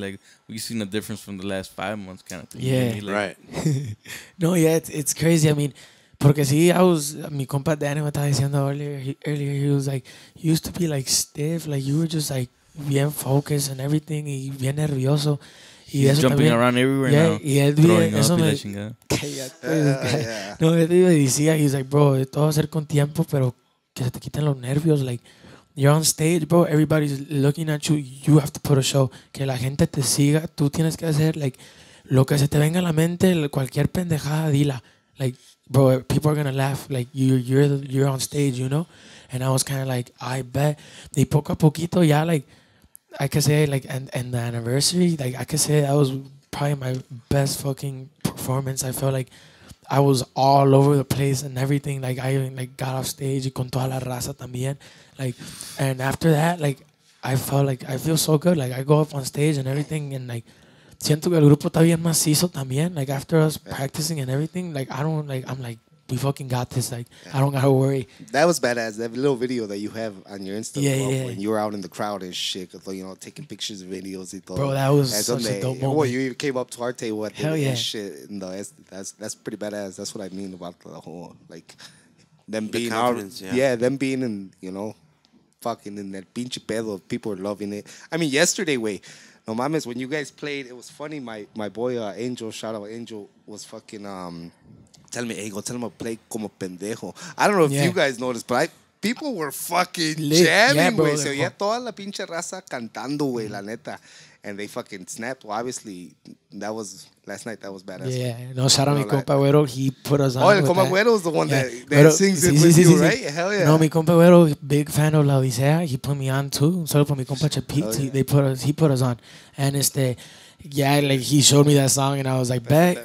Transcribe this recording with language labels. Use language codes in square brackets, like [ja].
[en] Like, we've seen a difference from the last 5 months kind of thing. Yeah. You know what I mean? Right. No, yeah, it's crazy. I mean, [es] porque si, [en] I was, [es] mi compa Danny me estaba diciendo [en] earlier, he was like, you used to be, like, stiff. Like, you were just, like, bien focused and everything. [es] Y bien nervioso. [en] He's jumping around everywhere now. Yeah, throwing [es] eso [en] up me, [es] y la chingada. Yeah. No, él me decía, [en] he's like, bro, [es] todo va a ser con tiempo, pero que se te quiten los nervios, like, [en] you're on stage, bro. Everybody's looking at you. You have to put a show. [es] Que la gente te siga. Tú tienes que hacer, [en] like, [es] lo que se te venga a la mente, cualquier pendejada, dila. [en] Like, bro, people are gonna laugh. Like, you're on stage, you know? And I was kind of like, I bet. [es] Y poco a poquito, ya, [en] like, I could say, like, and the anniversary, like, I could say that was probably my best fucking performance. I felt like I was all over the place and everything. Like, I even, like, got off stage [es] y con toda la raza también. [en] Like, and after that, like, I felt like, I feel so good. Like, I go up on stage and everything, and, like, [es] siento que el grupo está bien macizo también. [en] Like, after us practicing and everything, like, I don't, like, I'm like, we fucking got this. Like, I don't gotta worry. That was badass. That little video that you have on your Instagram, when you were out in the crowd and shit, you know, taking pictures and videos. Bro, that was such a dope moment. Well, you even came up to our table at the end shit. And that's pretty badass. That's what I mean about the whole, like, them being out. Them being in, you know, fucking in that [es] pinche pedo. [en] People are loving it. I mean, yesterday, [es] no mames, [en] when you guys played, it was funny. My boy, Angel, shout out Angel, was fucking, tell me, Ego, tell him to play [es] como pendejo. [en] I don't know if you guys noticed, but people were fucking lit. Jamming, güey. [es] Se oía toda la pinche raza cantando, güey, la neta. [en] And they fucking snapped. Well, obviously, that was last night. That was badass. Yeah, no, shout out [es] mi compa güero. [en] He put us on. Oh, [es] el compa güero [en] is the one that sings it with you, right? Hell yeah. No, [es] mi compa güero, [en] big fan of La Odisea. He put me on too. [es] Solo por mi compa Chapit. [en] Yeah. He put us on. And yeah, like he showed me that song and I was like, bet.